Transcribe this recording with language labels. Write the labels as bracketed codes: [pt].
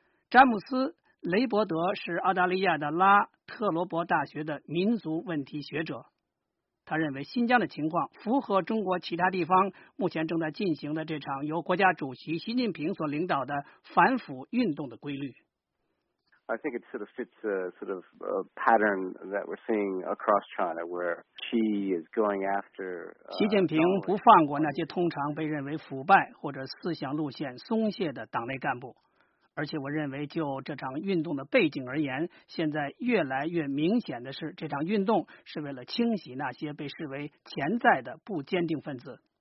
[zh] 詹姆斯·雷伯德是澳大利亚的拉特罗伯大学的民族问题学者，他认为新疆的情况符合中国其他地方目前正在进行的这场由国家主席习近平所领导的反腐运动的规律。 [en] I think it sort of fits a sort of a pattern that we're seeing across China, where Xi is going after. [zh] 习近平不放过那些通常被认为腐败或者思想路线松懈的党内干部，而且我认为就这场运动的背景而言，现在越来越明显的是，这场运动是为了清洗那些被视为潜在的不坚定分子。